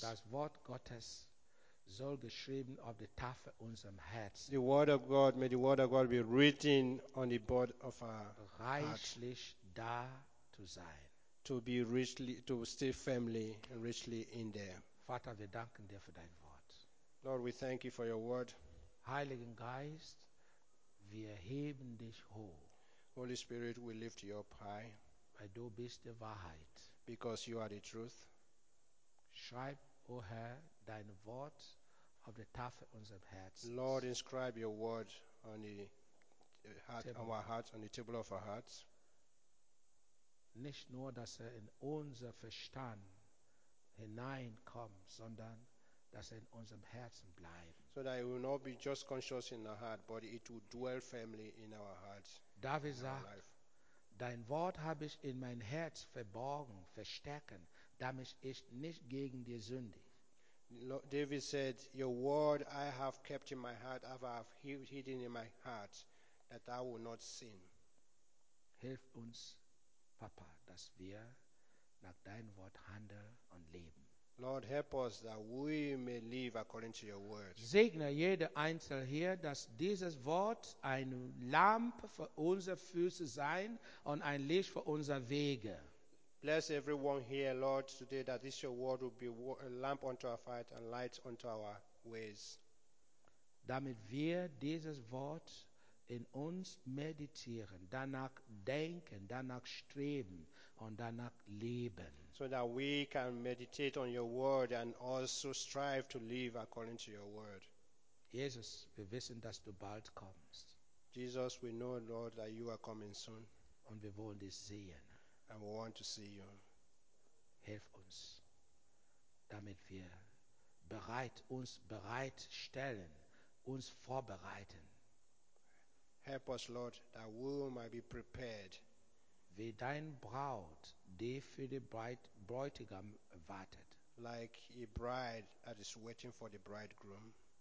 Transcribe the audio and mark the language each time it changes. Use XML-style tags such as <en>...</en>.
<de>Das Wort Gottes soll geschrieben auf die Tafel unserem Herz.</de> <en>The word of God, may the word of God be written on the board of our</en> <de>reichlich</de> <en>heart.</en> <de>Da zu sein.</de> <en>To be richly, to stay firmly and richly in there.</en> <de>Vater, wir danken dir für dein Wort.</de> <en>Lord, we thank you for your word.</en> <de>Heiligen Geist, wir heben dich hoch.</de> <en>Holy Spirit, we lift you up high.</en> <de>Weil du bist die Wahrheit.</de> <en>Because you are the truth.</en> <de>Schreib, O Herr, dein Wort auf der Tafel unserem Herzens.</de> <en>Lord, inscribe your word on the heart, table. Our hearts, on the table of our hearts.</en> <de>Nicht nur, dass in unser Verstand hineinkommt, sondern dass in unserem Herzen bleibt.</de> <en>So that it will not be just conscious in our heart, but it will dwell firmly in our hearts.</en> <de>David sagt, dein Wort habe ich in mein Herz verborgen, verstärken, damit ich nicht gegen dir sündige.</de> <en>David said, your word I have kept in my heart, I have hidden in my heart, that I will not sin.</en> <de>Hilf uns, Papa, dass wir nach dein Wort handeln und leben.</de> <en>Lord, help us that we may live according to your word.</en> <de>Segne jede Einzel hier, dass dieses Wort ein Lamp für unsere Füße sein und ein Licht für unsere Wege.</de> <en>Bless everyone here, Lord, today that this your word will be a lamp unto our feet and light unto our ways.</en> <de>Damit wir dieses Wort in uns meditieren, danach denken, danach streben und danach leben.</de> <en>So that we can meditate on your word and also strive to live according to your word.</en> <de>Jesus, wir wissen, dass du bald kommst.</de> <en>Jesus, we know, Lord, that you are coming soon.</en> <de>Und wir wollen dich sehen.</de> <en>And we want to see you.</en> <de>Hilf uns, damit wir bereit uns bereitstellen, uns vorbereiten.</de> <en>Help us, Lord, that we might be prepared.</en> <de>Wie dein Braut, die für den Bräutigam wartet.</de> <en>Like a bride that is waiting for the bridegroom.</en>